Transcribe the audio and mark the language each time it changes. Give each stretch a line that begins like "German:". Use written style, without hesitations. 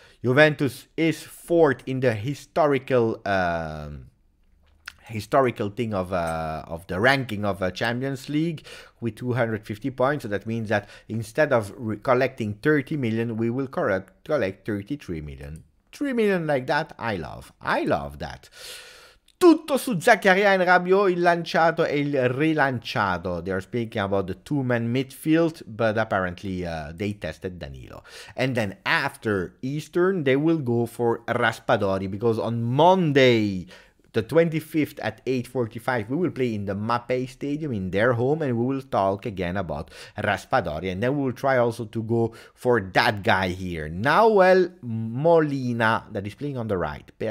English: Juventus is fourth in the historical thing of the ranking of a Champions League with 250 points. So that means that instead of collecting 30 million, we will collect 33 million. 3 million like that, I love that.
Italian: Tutto su Zaccaria and Rabiot, il lanciato e il rilanciato.
English: They are speaking about the two-man midfield, but apparently they tested Danilo. And then after Eastern, they will go for Raspadori, because on Monday, the 25th at 8:45, we will play in the Mapei Stadium in their home, and we will talk again about Raspadori, and then we will try also to go for that guy here, Nahuel Molina, that is playing on the right.